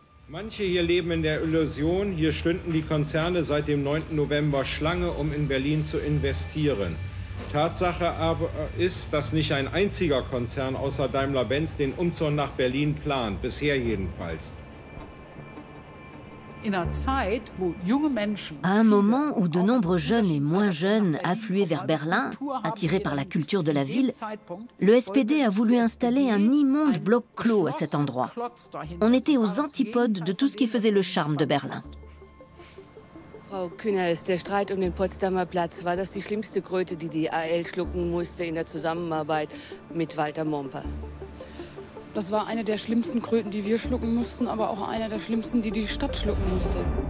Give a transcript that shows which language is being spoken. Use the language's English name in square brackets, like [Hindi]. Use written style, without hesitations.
[German] Manche hier leben in der Illusion, hier stünden die Konzerne seit dem 9. November Schlange, um in Berlin zu investieren. Tatsache aber ist, dass nicht ein einziger Konzern außer Daimler-Benz den Umzug nach Berlin plant, bisher jedenfalls. [French] À un moment où de nombreux jeunes et moins jeunes affluaient vers Berlin, attirés par la culture de la ville, le SPD a voulu installer un immonde bloc clos à cet endroit. On était aux antipodes de tout ce qui faisait le charme de Berlin. [German] Frau Künhaus, der Streit den Potsdamer Platz, war das die schlimmste Kröte, die die AL schlucken musste in der Zusammenarbeit mit Walter Momper? Das war eine der schlimmsten Kröten, die wir schlucken mussten, aber auch eine der schlimmsten, die die Stadt schlucken musste.